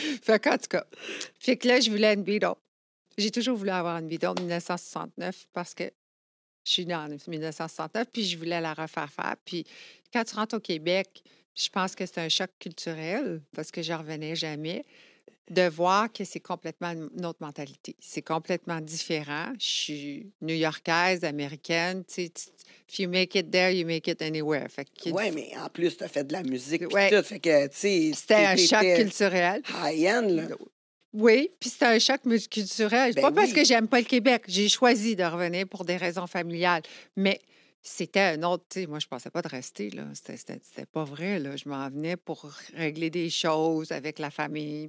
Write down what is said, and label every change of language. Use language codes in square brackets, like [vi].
[fr] Fait qu'en tout cas, fait que là, je voulais une bidon. J'ai toujours voulu avoir une bidon en 1969 parce que je suis née en 1969, puis je voulais la refaire faire. Puis quand tu rentres au Québec, je pense que c'est un choc culturel, parce que je revenais jamais, de voir que c'est complètement une autre mentalité. C'est complètement différent. Je suis new-yorkaise, américaine. [en] If you make it there, you make it anywhere. [fr] Oui, mais en plus, tu as fait de la musique. Ouais. Tout, fait que, c'était un choc culturel. [en] High-end, là. [fr] Oui, puis c'était un choc culturel. Ben pas oui. Parce que j'aime pas le Québec. J'ai choisi de revenir pour des raisons familiales. Mais c'était un autre... Moi, je pensais pas de rester. Là. C'était pas vrai. Là. Je m'en venais pour régler des choses avec la famille.